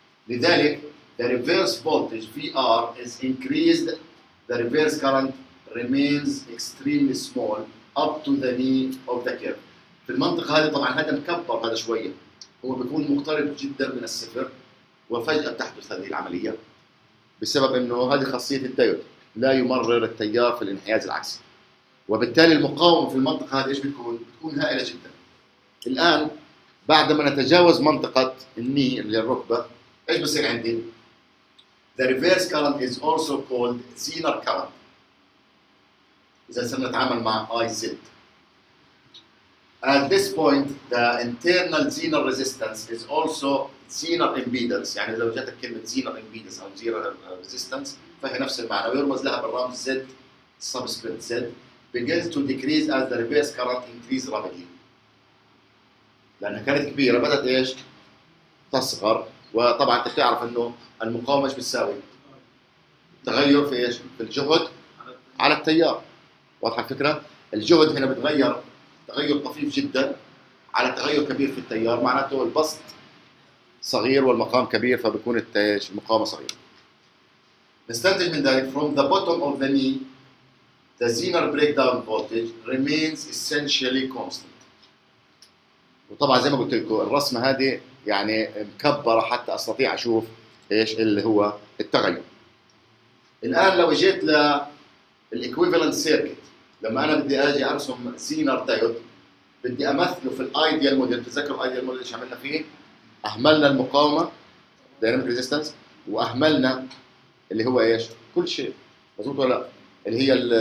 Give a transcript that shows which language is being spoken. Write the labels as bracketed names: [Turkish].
[Arabic] لذلك [English] the reverse voltage VR is increased, the reverse current remains extremely small up to the knee of the curve. [Arabic] في المنطقة هذه طبعا هذا مكبر هذا شوية. هو بيكون مقترب جدا من الصفر وفجأة تحدث هذه العملية بسبب انه هذه خاصية الدايود لا يمرر التيار في الانحياز العكسي. وبالتالي المقاومة في المنطقة هذه ايش بتكون؟ بتكون هائلة جدا. الآن بعدما نتجاوز منطقة الني اللي الركبة ايش بصير عندي؟ [English] The reverse current is also called Zener current. [Arabic] إذا صرنا نتعامل مع IZ. [English] At this point, the internal Zener resistance is also Zener impedance. [Arabic] يعني لو جاءت كلمة Zener impedance أو Zener resistance فهي نفس المعنى ويرمز لها بالرمز Z subscript Z [English] begins to decrease as the reverse current increases rapidly. [Arabic] لأنها كانت كبيرة بدأت إيش تصغر. وطبعا أنت تعرف إنه المقاومة إيش بتساوي تغير في إيش في الجهد على التيار. واضح الفكرة؟ الجهد هنا بتغير تغير طفيف جدا على تغير كبير في التيار، معناته البسط صغير والمقام كبير فبكون المقاومة صغيرة. نستنتج من ذلك [English] from the bottom of the knee the Zener breakdown voltage remains essentially constant. [Arabic] وطبعا زي ما قلت لكم الرسمة هذه يعني مكبرة حتى استطيع اشوف ايش اللي هو التغير. الان لو جيت للإكويفالنت سيركت لما انا بدي اجي ارسم زينر دايود بدي امثله في الايديال موديل، تذكر الايديال موديل ايش عملنا فيه؟ اهملنا المقاومه دايناميك ريزيستنس واهملنا اللي هو ايش؟ كل شيء مظبوط ولا لا؟ اللي هي